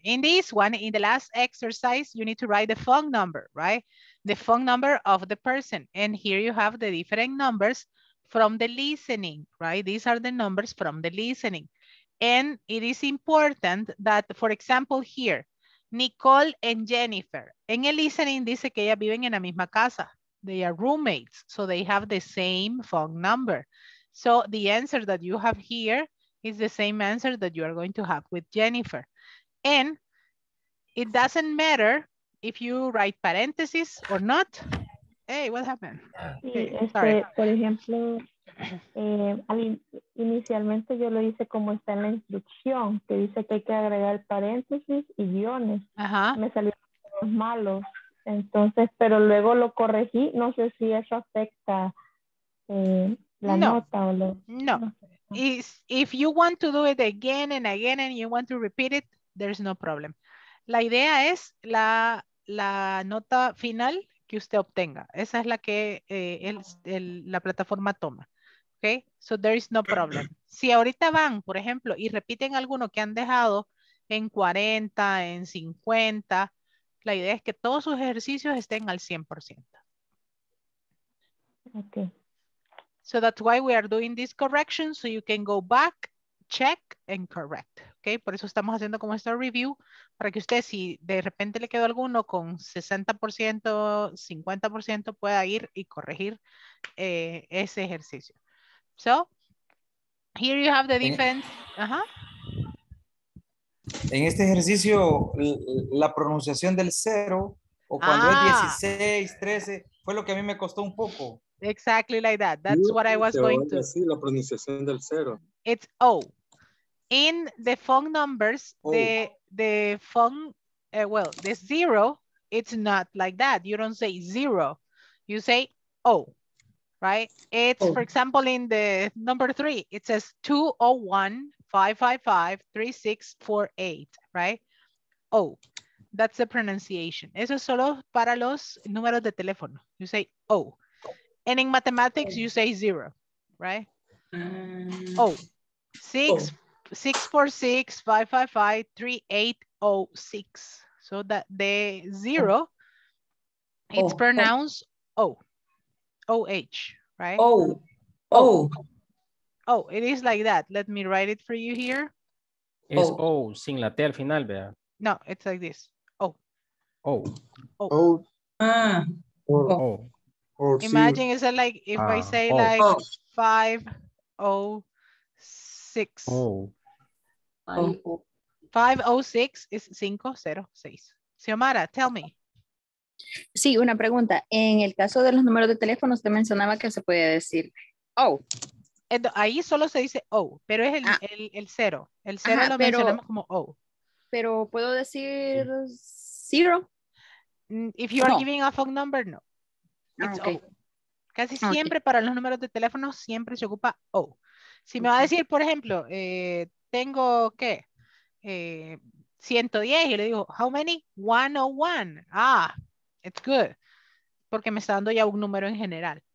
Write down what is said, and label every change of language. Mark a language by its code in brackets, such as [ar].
[en] In this one, in the last exercise, you need to write the phone number, right? The phone number of the person. And here you have the different numbers from the listening, right? These are the numbers from the listening. And it is important that, for example, here, Nicole and Jennifer. [es] En el listening dice que ellas viven en la misma casa. [en] They are roommates, so they have the same phone number. So the answer that you have here is the same answer that you are going to have with Jennifer. And it doesn't matter if you write parentheses or not. Hey, what happened? [es] Por ejemplo, inicialmente yo lo hice como está en la instrucción, que dice que hay que agregar paréntesis y guiones. Me salieron malos. Entonces, pero luego lo corregí. No sé si eso afecta la nota o lo. No. [en] If you want to do it again and again and you want to repeat it, there's no problem. [es] La idea es la nota final que usted obtenga. Esa es la que la plataforma toma. Okay? [en] So there is no problem. [es] Si ahorita van, por ejemplo, y repiten alguno que han dejado en 40, en 50. La idea es que todos sus ejercicios estén al 100%. [en] Okay. So that's why we are doing this correction, so you can go back, check, and correct. Okay? [es] Por eso estamos haciendo como esta review, para que usted, si de repente le quedó alguno con 60%, 50%, pueda ir y corregir ese ejercicio. [en] So, here you have the defense. Ajá. [es] En este ejercicio, la pronunciación del cero, o cuando es 16, 13, fue lo que a mí me costó un poco. [en] Exactly like that. That's what I was going to. [es] Sí, la pronunciación del cero. [en] It's O. In the phone numbers, the phone, well, the zero, it's not like that. You don't say zero. You say O, right? It's, for example, in the number three, it says 201-555-3648, right? Oh, that's the pronunciation. [es] Eso es solo para los números de teléfono. [en] You say oh. And in mathematics, you say zero, right? Oh, 646-555-3806. So that the zero, it's pronounced O-H, right? Oh. Oh, it is like that. Let me write it for you here. [es] Es O, oh, sin la T al final, ¿verdad? [en] No, it's like this. O. Oh. O. Oh. O. Oh. Oh. Oh. Oh. Imagine, is it like, if I say oh. like 506. O. Oh. 506 is 506. Xiomara, tell me. [es] Sí, una pregunta. En el caso de los números de teléfono, usted mencionaba que se puede decir O. [en] Oh. [es] Ahí solo se dice O, pero es el cero. El cero, ajá, lo mencionamos como O. Pero ¿puedo decir cero? [en] If you are giving a phone number, no. It's okay. O. [es] Casi siempre para los números de teléfono siempre se ocupa O. Si me va a decir, por ejemplo, tengo, ¿qué? [en] 110, [es] y le digo, [en] how many? 101. Ah, it's good. [es] Porque me está dando ya un número en general.